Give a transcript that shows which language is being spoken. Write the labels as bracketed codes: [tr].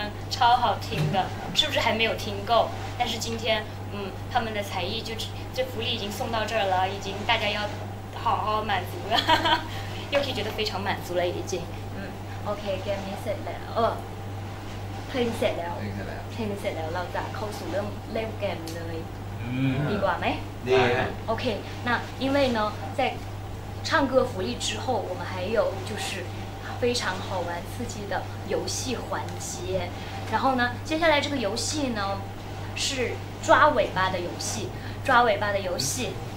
[zh] 超好听的，是不是还没有听够？但是今天，他们的才艺就这福利已经送到这儿了，已经大家要好好满足了。 Yuki 觉得非常满足了，已经。 [th] OK， get me set แล้ว เพลงเสร็จแล้ว เพลง เสร็จแล้วเราจะเข้าสู่เริ่มเกมเลย ดีกว่าไหม ดี ครับ [zh] OK， 那因为呢，在唱歌福利之后，我们还有就是非常好玩刺激的游戏环节。然后呢，接下来这个游戏呢，是抓尾巴的游戏，抓尾巴的游戏。